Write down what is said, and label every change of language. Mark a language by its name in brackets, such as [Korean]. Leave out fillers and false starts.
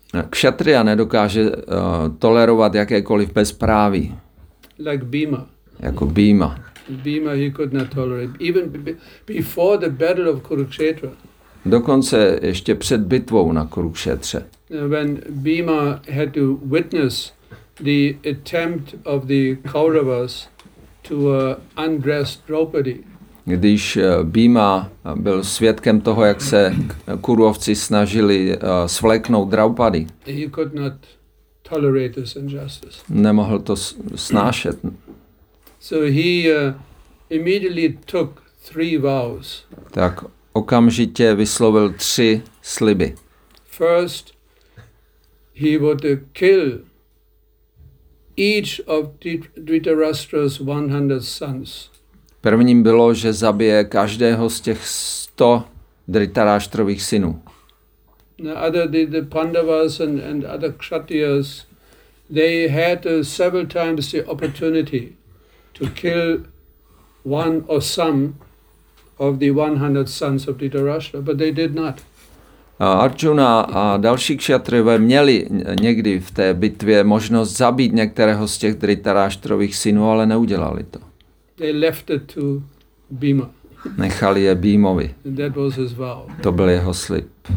[Czech] Kšatria nedokáže tolerovat jakékoliv bezpráví. [English] Like Bhima. [Czech] Jako Bhima. [English] Bhima he could not tolerate. Even before the battle of Kurukshetra. [Czech] Dokonce ještě před bitvou na Kurukshetře. [English] When Bhima had to witness the attempt of the Kauravas to undress Draupadi. [Czech] Když Bhima byl svědkem toho, jak se Kurovci snažili svléknout Draupadi. [English] He could not tolerate this injustice. [Czech] Nemohl to snášet. [English] So he immediately took three vows. [Czech] Tak okamžitě vyslovil tři sliby. [English] First, he would kill each of Dhritarashtra's 100 sons. [Czech] Prvním bylo, že zabije každého z těch 100 Dhritarashtrových synů. [English] The Pandavas and other Kshatriyas, they had several times the opportunity to kill one or some of the 100 sons of Dhritarashtra, but they did not. [Czech] Arjuna a další kšatryové měli někdy v té bitvě možnost zabít některého z těch Dhritarashtrových synů, ale neudělali to. [English] They left it to Bhima. [Czech] Nechali je Bhimovi. [English] That was his vow. [Czech] To byl jeho slib.